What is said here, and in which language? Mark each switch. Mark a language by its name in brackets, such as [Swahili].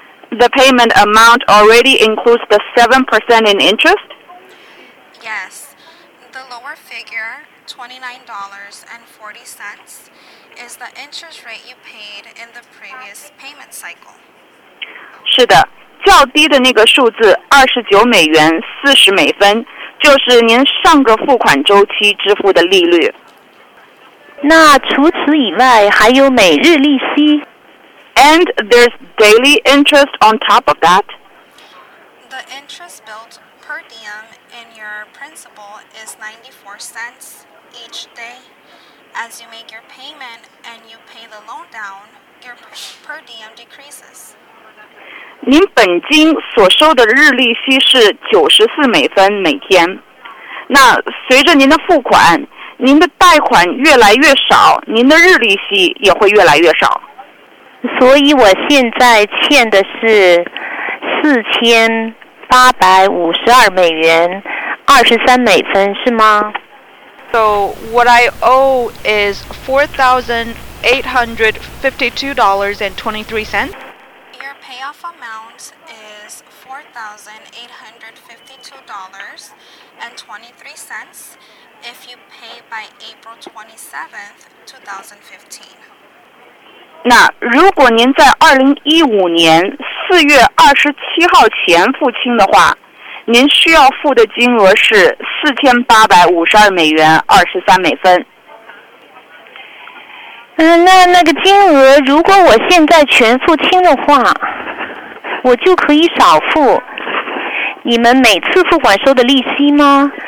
[English] The payment amount already includes the 7% in interest. Yes, the lower figure, $29.40. Is the interest rate you paid in the previous payment cycle? [Chinese] 是的，较低的那个数字$29.40，就是您上个付款周期支付的利率。那除此以外还有每日利息。 [English] And there's daily interest on top of that. The interest billed per diem in your principal is 94 cents each day. As you make your payment and you pay the loan down, your per diem decreases. [Chinese] 您本金所收的日利息是$94每天。那随着您的付款，您的贷款越来越少，您的日利息也会越来越少。所以我现在欠的是$4,852，$23是吗？ [English] So what I owe is $4,852.23. Your payoff amount is $4,852.23 if you pay by April 27th, 2015. [Chinese] 那如果您在20154月27日前付清的话，您需要付的金额是$4,852.23。那个金额，如果我现在全付清的话，我就可以少付你们每次付款收的利息吗？